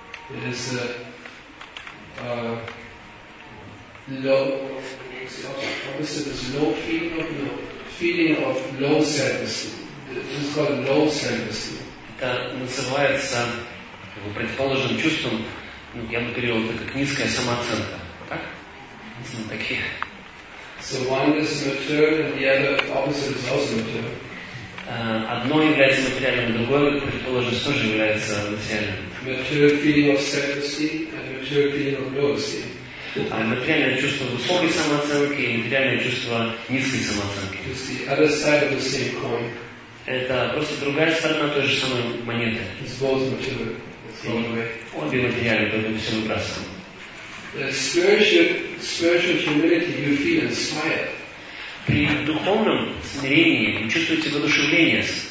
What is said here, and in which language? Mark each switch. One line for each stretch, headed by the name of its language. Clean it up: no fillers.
English: It is a low self-esteem. It's called low self-esteem.
Russian: Это называется, как бы предположим, чувством, ну, я бы перевел это как низкая самооценка, так? Mm-hmm. Такие.
English: So one is material, and the other opposite is also material.
Russian: Одно является материальным, другое, предположим, тоже является материальным.
English: Material feeling of self-esteem and material feeling of low esteem.
Russian: Материальное чувство высокой самооценки и материальное чувство низкой самооценки.
English: It's the other side of the same coin.
Russian: Это просто другая сторона той же самой монеты.
English: It's both material.
Russian: Обе материальные, поэтому все выбрасываем.
English: Spiritual humility you feel inspired.
Russian: При духовном смирении вы чувствуете воодушевление.